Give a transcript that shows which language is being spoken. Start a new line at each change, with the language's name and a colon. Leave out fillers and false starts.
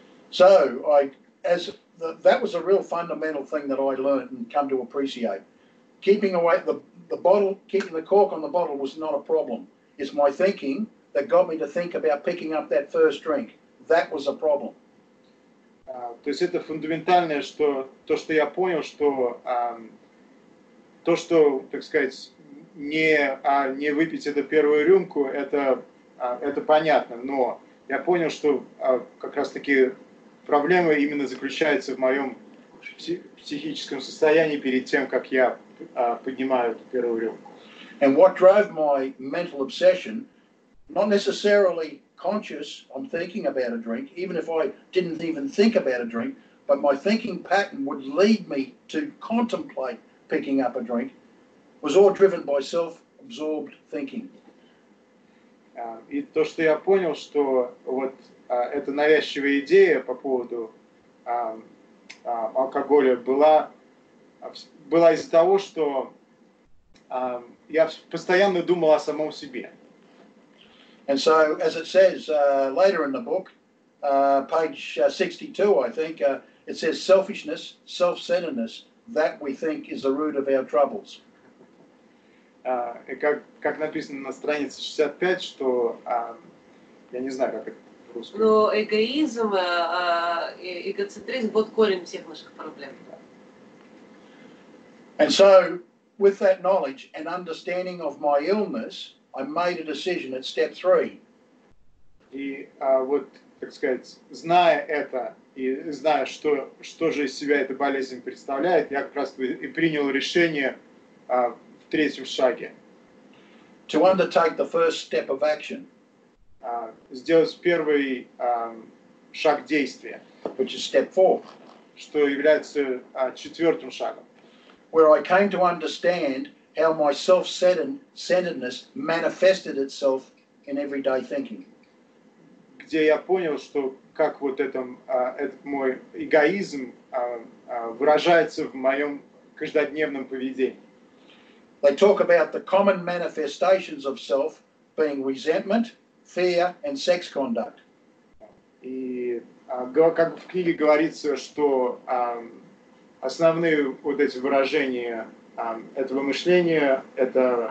English: So, that was a real fundamental thing that I learned and come to appreciate. Keeping away the bottle, keeping the cork on the bottle was not a problem. It's my thinking that got me to think about picking up that first drink. That was a problem.
Russian: То есть это фундаментальное, что то, что я понял, что то, что, так сказать, не выпить эту первую рюмку, это понятно. Но я понял, что как раз-таки проблема именно заключается в моем психическом состоянии перед тем, как я поднимаю эту первую рюмку.
English: And what drove my mental obsession, not necessarily conscious, I'm thinking about a drink, even if I didn't even think about a drink, but my thinking pattern would lead me to contemplate picking up a drink, was all driven by self-absorbed thinking.
Russian: И то, что я понял, что вот эта навязчивая идея по поводу алкоголя была из-за того, что я постоянно думал о самом себе.
English: And so, as it says later in the book, page 62, I think, it says selfishness, self-centeredness, that we think is the root of our troubles.
Russian: Как написано на странице 65, что я не знаю, как это по-русски. Но эгоизм, эгоцентризм, вот корень всех наших проблем.
English: And so, with that knowledge and understanding of my illness, I made a decision at step three.
Russian: И вот, так сказать, зная это и зная, что же из себя эта болезнь представляет, я как раз и принял решение в третьем шаге.
English: To undertake the first step of action.
Russian: Сделать первый шаг действия.
English: Which is step four.
Russian: Что является четвертым шагом.
English: Where I came to understand how my self-centeredness manifested itself in everyday thinking.
Russian: Где я понял, что как вот этот мой эгоизм выражается в моем каждодневном поведении.
English: They talk about the common manifestations of self being resentment, fear, and sex conduct.
Russian: И как в книге говорится, что основные вот эти выражения этого мышления, это